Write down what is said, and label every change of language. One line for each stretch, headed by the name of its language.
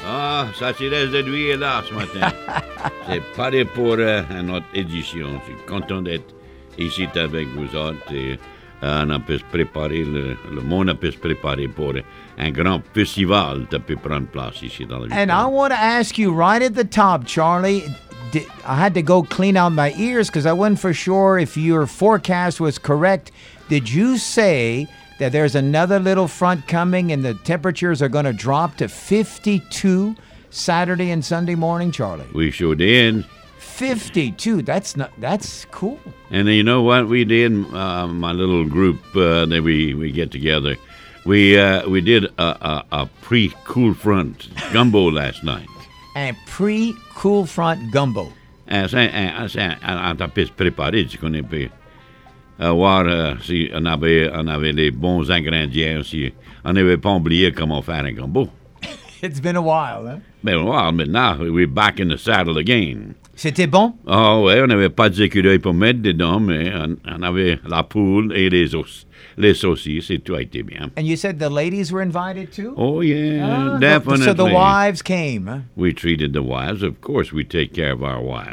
French: Ah, ça, c'est reste de lui et là ce matin. C'est pareil pour une autre édition. Je suis content d'être ici avec vous autres. Et on a pu se préparer, le monde a pu se préparer pour un grand festival qui peut prendre place ici dans le.
English: And I want to ask you right at the top, Charlie. I had to go clean out my ears because I wasn't for sure if your forecast was correct. Did you say that there's another little front coming and the temperatures are going to drop to 52 Saturday and Sunday morning, Charlie? We sure did. 52. That's cool. And you know what we did, my little group that we get together. We did a pre-cool front gumbo last night. A pre-cool front gumbo.
French: C'est préparé, tu connais pas. Voir si on avait les bons ingrédients, si on n'avait pas oublié comment faire un gumbo.
English: It's been a while, hein? Been a while, but now we're back in the saddle again.
French: C'était bon? Oh ouais, on n'avait pas d'écureuil pour mettre dedans, mais on avait la poule et les os. Les saucisses, tout a été bien.
English: And you said the ladies were invited too? Oh yeah, definitely. So the wives came. We treated the wives. Of course, we take care of our wives.